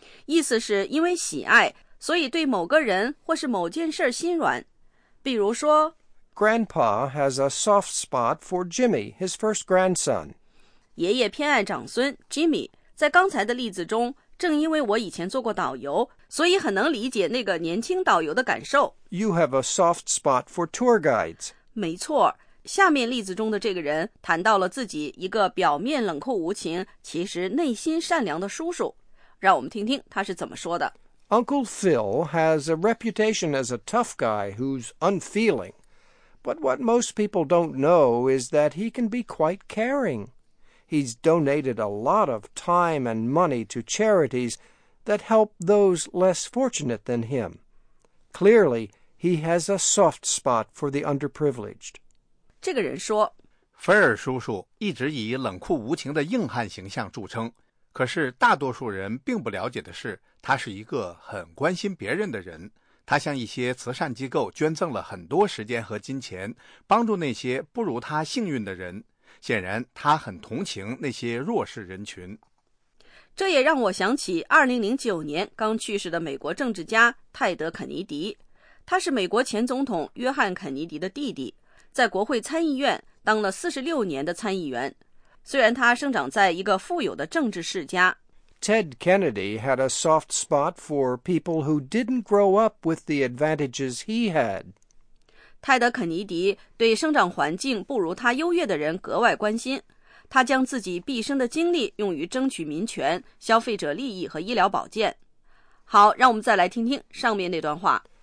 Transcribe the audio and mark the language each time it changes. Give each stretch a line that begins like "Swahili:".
Chinese: 意思是因为喜爱，所以对某个人或是某件事心软。比如说
English: Grandpa has a soft spot for Jimmy, his first grandson.
Chinese: 爷爷偏爱长孙 Jimmy. 在刚才的例子中，正因为我以前做过导游，所以很能理解那个年轻导游的感受。
English: You have a soft spot for tour guides.
Chinese: 没错。下面例子中的这个人谈到了自己一个表面冷酷无情，其实内心善良的叔叔。让我们听听他是怎么说的。
English: Uncle Phil has a reputation as a tough guy who's unfeeling. But what most people don't know is that he can be quite caring. He's donated a lot of time and money to charities that help those less fortunate than him. Clearly, he has a soft spot for the underprivileged.
Chinese: 这个人说菲尔叔叔一直以冷酷无情的硬汉形象著称，可是大多数人并不了解的是他是一个很关心别人的人。他向一些慈善机构捐赠了很多时间和金钱，帮助那些不如他幸运的人。显然他很同情那些弱势人群。这也让我想起2009年刚去世的美国政治家泰德·肯尼迪。他是美国前总统约翰·肯尼迪的弟弟，在国会参议院当了46年的参议员，虽然他生长在一个富有的政治世家。
English: Ted Kennedy had a soft spot for people who didn't grow up with the advantages he had.
Chinese: 泰德·肯尼迪对生长环境不如他优越的人格外关心，他将自己毕生的精力用于争取民权、消费者利益和医疗保健。好，让我们再来听听上面那段话。